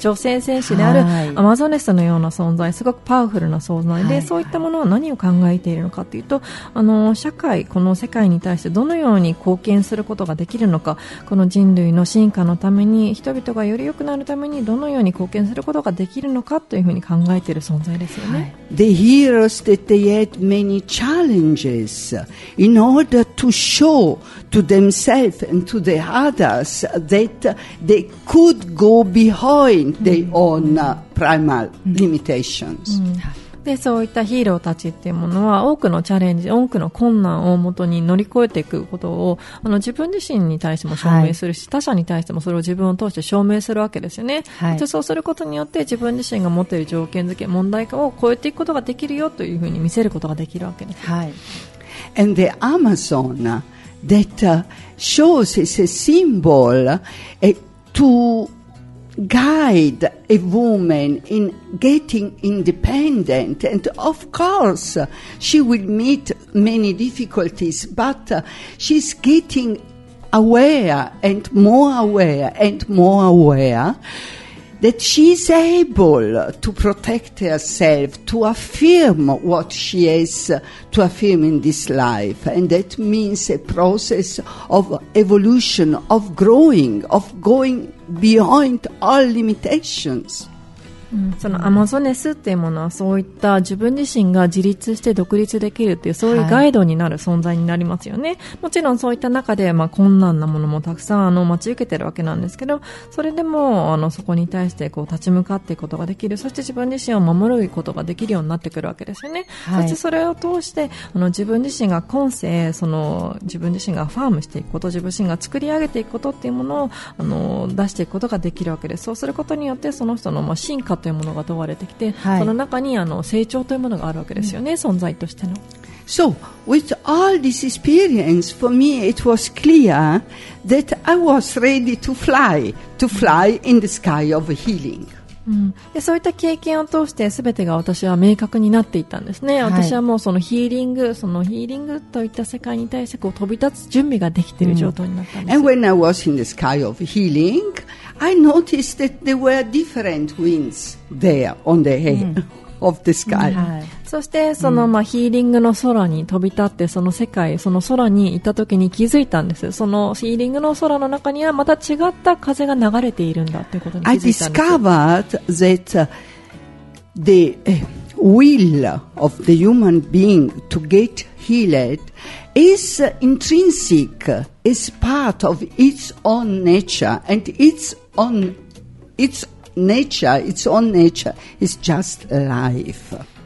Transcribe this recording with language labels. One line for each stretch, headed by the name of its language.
Japanese: 女性戦士であるアマゾネスのような存在、すごくパワフルな存在で、そういったものは何を考えているのかというと、あの社会、この世界に対してどのように貢献することができるのか、この人類の進化のために、人々がより良くなるためにどのように貢献することができるのかというふうに考えている存在ですよね。
English: The heroes that they had many challenges in order to show to themselves and to the others that they could go behind their own primal limitations.
Japanese: で、そういったヒーローたちっていうものは、多くのチャレンジ、多くの困難をもとに乗り越えていくことを、あの自分自身に対しても証明するし、他者に対してもそれを自分を通して証明するわけですよね。で、そうすることによって、自分自身が持っている条件付け、問題化を超えていくことができるよというふうに見せることができるわけです。はい。
English: And the Amazon,That shows as a symbol to guide a woman in getting independent. And of course, she will meet many difficulties, but she's getting aware and more aware and more aware that she's able to protect herself, to affirm what she has to affirm in this life. And that means a process of evolution, of growing, of going beyond all limitations.
Japanese: そのアマゾネスっていうものは、そういった自分自身が自立して独立できるっていう、そういうガイドになる存在になりますよね、はい、もちろんそういった中で、まあ、困難なものもたくさんあの待ち受けてるわけなんですけど、それでもあのそこに対してこう立ち向かっていくことができる、そして自分自身を守ることができるようになってくるわけですよね、はい、そしてそれを通してあの自分自身が今世その自分自身がファームしていくこと、自分自身が作り上げていくことっていうものをあの出していくことができるわけです。そうすることによってその人の、まあ、進化というものが問われてきて、はい、その中にあの成長というものがあるわけですよね、うん、存在としての。
English: So, with all this experience, for me it was clear that I was ready to fly in the sky of healing.
Japanese: うん、でそういった経験を通して全てが私は明確になっていったんですね、はい、私はもうそのヒーリングといった世界に対してこう飛び立つ準備ができている状態になったんです、うん、
English: And when I was in the sky of healing I noticed that there were different winds there on the head、うん、of the sky、うんは
Japanese: い、そしてその、まあ、ヒーリングの空に飛び立ってその世界その空にいた時に気づいたんです。そのヒーリングの空の中にはまた違った風が流れているんだということに気づいたんです。
English: I discovered that the will of the human being to get healed is intrinsic, is part of its own nature, and its own nature is just life.